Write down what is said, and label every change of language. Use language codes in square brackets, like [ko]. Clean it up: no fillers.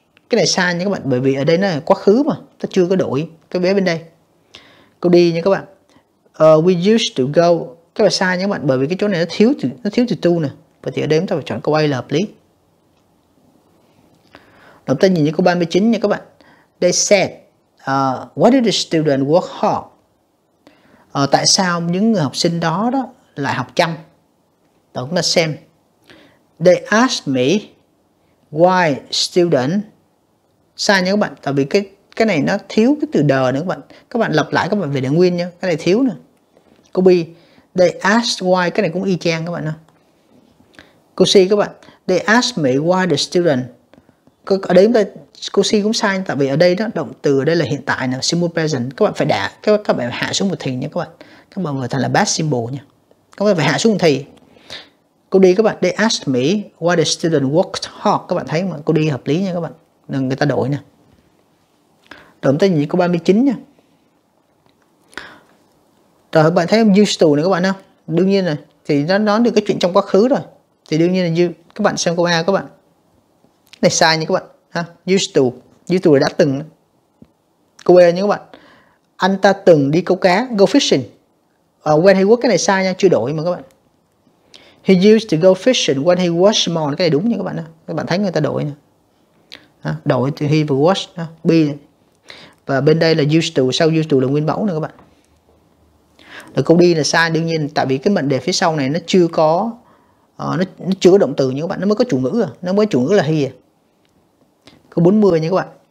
[vi] Cái này sai nha các bạn, bởi vì ở đây nó là quá khứ mà, ta chưa có đổi cái bé bên đây. Câu D nha các bạn, [en] we used to go, [vi] cái này sai nha các bạn, bởi vì cái chỗ này nó thiếu từ to nè. Vậy thì ở đây chúng ta phải chọn câu A là hợp lý. Đồng ta nhìn như câu 39 nha các bạn. [en] They said, why did the student work hard? [vi] Tại sao những người học sinh đó lại học chăm? Chúng ta xem. [en] They asked me why student. [vi] Sai nha các bạn, tại vì cái này nó thiếu cái từ the nữa các bạn. Các bạn lặp lại các bạn về để nguyên nha, cái này thiếu nè. Câu B, [en] they asked why, [vi] cái này cũng y chang các bạn ha. Câu C các bạn, [en] they asked me why the student. [vi] Ở đây chúng ta, câu C cũng sai, tại vì ở đây đó, động từ ở đây là hiện tại nè, simple present. Các bạn phải đả, các bạn hạ xuống một thì nha các bạn. Các bạn vừa thành là past simple nha. Các bạn phải hạ xuống một thì. [en] Câu D các bạn, they asked me why the student worked hard. [vi] Các bạn thấy không ạ? Câu D hợp lý nha các bạn. Nên người ta đổi nè. Đồng tới nhìn câu 39 nha. Rồi các bạn thấy không? Used to nè các bạn không? Đương nhiên rồi. Thì nó nói được cái chuyện trong quá khứ rồi. Thì đương nhiên là như, các bạn xem câu A các bạn. Này sai nha các bạn ha? Used to là đã từng. Câu B nha các bạn, anh ta từng đi câu cá, go fishing. When he was, cái này sai nha, chưa đổi mà các bạn. [en] He used to go fishing when he was small. [vi] Cái này đúng nha các bạn ha? Các bạn thấy người ta đổi nha. Đổi từ he và was ha? B này. Và bên đây là used to, sau used to là nguyên mẫu nè các bạn. Rồi câu D là sai, đương nhiên tại vì cái mệnh đề phía sau này nó chưa có nó chưa có động từ nha các bạn, nó mới có chủ ngữ à, nó mới chủ ngữ là he à. Câu 40 nha các bạn.